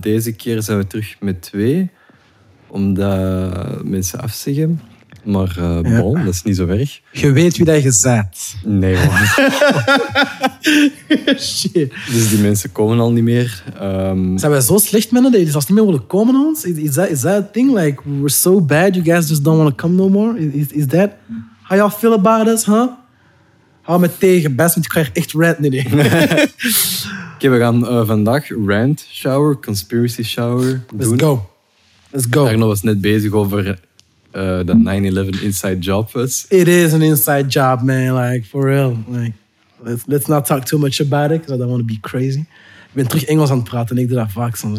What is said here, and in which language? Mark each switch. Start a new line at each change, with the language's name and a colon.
Dutch: Deze keer zijn we terug met twee, omdat mensen afzeggen. Maar bon, dat is niet zo erg. Je weet wie dat je bent. Nee, man. Shit. Dus die mensen komen al niet meer. Zijn wij zo slecht, mannen, dat jullie zelfs niet meer willen komen aan ons?
English: Is that a thing? Like, we're so bad, you guys just don't want to come no more? Is that how y'all feel about us, huh?
Dutch: Hou me tegen, best, want ik krijg echt rant in. Oké, we gaan vandaag rant shower, conspiracy shower doen.
English: Let's go.
Dutch: Arno was net bezig over dat 9-11 inside job was.
English: It is an inside job, man. Like, for real. Like, let's not talk too much about it, because I don't want to be crazy.
Dutch: Ik ben terug Engels aan het praten en ik doe dat vaak soms.